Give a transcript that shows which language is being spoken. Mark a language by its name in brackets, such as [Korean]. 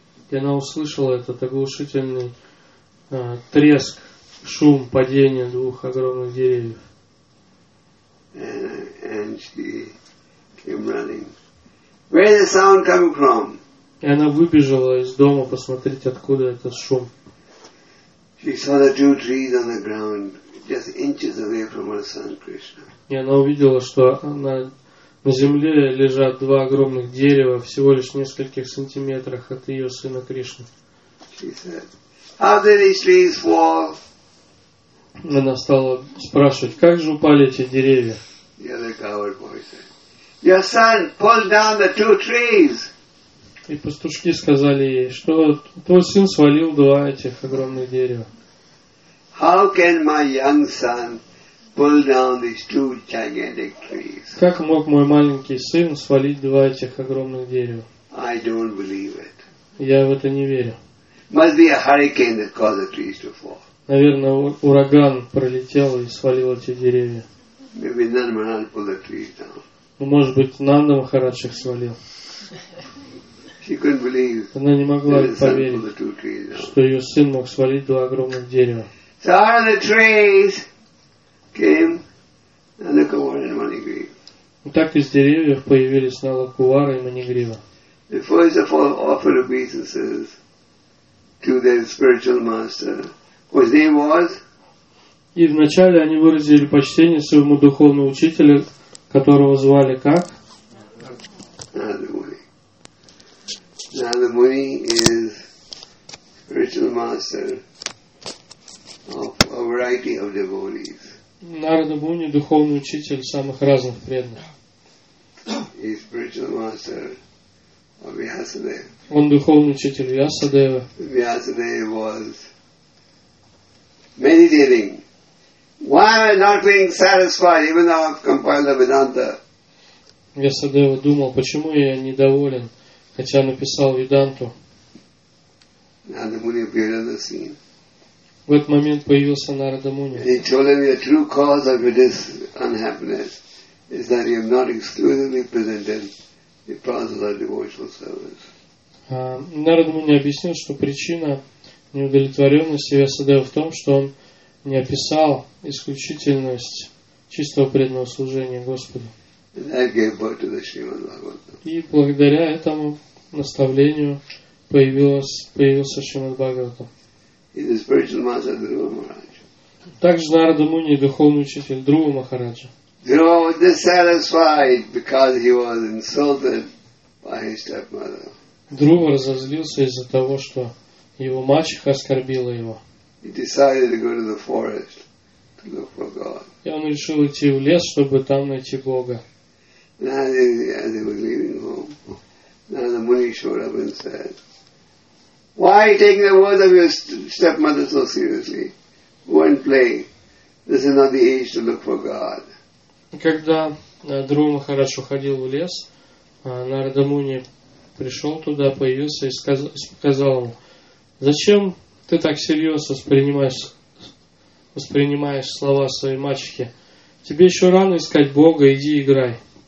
[Russian] И она услышала этот оглушительный треск, шум падения двух огромных деревьев. [English] And she came running. Where is the sound coming from? [Russian] И она выбежала из дома посмотреть, откуда этот шум. [English] She saw the two trees on the ground, just inches away from her son Krishna. [Russian] И она увидела, что на земле лежат два огромных дерева всего лишь в нескольких сантиметрах от ее сына Кришны. [English] She said, "How did these trees fall?" [Russian] Она стала спрашивать, как же упали эти деревья? [English] Your son pulled down the two trees. [Russian] И пастушки сказали ей, что твой сын свалил два этих огромных дерева. [English] How can my young son pull down these two gigantic trees? [Russian] Как мог мой маленький сын свалить два этих огромных дерева? [English] I don't believe it. [Russian] Я в это не верю. [English] Must be a hurricane that caused the trees to fall. [Russian] Наверное, ураган пролетел и свалил эти деревья. [English] Maybe Nanda Maharaj pulled the trees down. [Russian] Ну, может быть, Нанда Махарадж их свалил. [English] She couldn't believe. [Russian] Она не могла поверить, что ее сын мог свалить два огромных дерева. [English] So out of the trees came Nalakuvar and Manigriva. [Russian] Так из деревьев появились Nalakuvar и Manigriva. [English] The first of all, offer obeisances to their spiritual master, whose name was. [Russian] И вначале они выразили почтение своему духовному учителю, которого звали как? [English] Nadamuni. Nadamuni is spiritual master of a variety of devotees. [Russian] Нарадамуни – духовный учитель самых разных преданных. [English] He is spiritual master of Vyasadeva. [Russian] Он духовный учитель Вьясадева. [English] Vyasadeva was meditating. Why am I not being satisfied, even though I've compiled the Vedanta? [Russian] Vyasadeva думал, почему я недоволен, хотя написал Веданту. [English] Нарадамуни appeared on the scene. [Russian] В этот момент появился Нарада Муни. [English] He told him the true cause of this unhappiness is that you have not exclusively presented the process of devotional service. [Russian] Нарада Муни объяснил, что причина неудовлетворенности Вьясадевы в том, что он не описал исключительность чистого преданного служения Господу. [English] That gave birth to the Shrimad Bhagavatam. [Russian] И благодаря этому наставлению появился Шримад Бхагаватам. [English] He is spiritual master Dhruva Maharaja. [Russian] Также Нарада Муни духовный учитель Друва Махараджа. [English] Dhruva was dissatisfied because he was insulted by his stepmother. [Russian] Друва разозлился из-за того, что его мачеха оскорбила его. [English] He decided to go to the forest to look for God. [Russian] И он решил идти в лес, чтобы там найти Бога. [English] And as he was leaving home, Nārada Muni showed up and said, why are you taking the words of your stepmother so seriously? Go and play. This is not the age to look for God. [Russian] Когда Друва Махарадж уходил в лес, Нарада Муни пришел туда, появился и сказал ему, зачем ты так серьезно воспринимаешь слова своей мачехи? Тебе еще рано искать Бога, иди играй.